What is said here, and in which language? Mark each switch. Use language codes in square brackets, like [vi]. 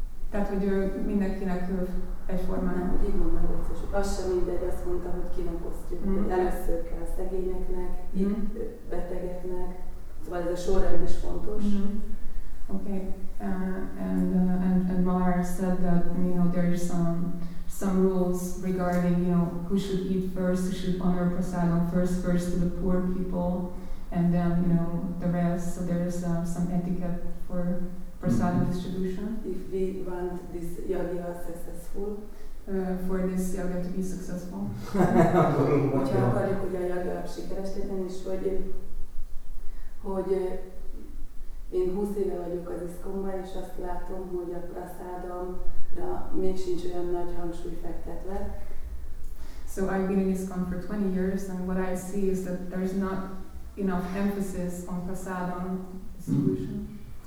[hu] tehát, hogy mindenkinek egyformán. Nem, így mondom először, hogy az sem mindegy, azt mondta, hogy kinek osztjuk. Először kell szegényeknek, betegeknek, szóval ez a sorrend is fontos. [en] Okay, and Mara said that, you know, there is some rules regarding, you know, who should eat first, who should honor prasadam first to the poor people, and then, you know, the rest, so there is some etiquette for prasadam distribution. If we want this yoga successful, for this yoga to be successful. [hu] Hogyha akarjuk, hogy a yoga sikeres legyen, és hogy én 20 éve vagyok az iszkomba, és azt látom, hogy a prasadamra még sincs olyan nagy hangsúly fektetve. [en] So I've been in iskon for 20 years, and what I see is that there is not enough emphasis on prasadam distribution.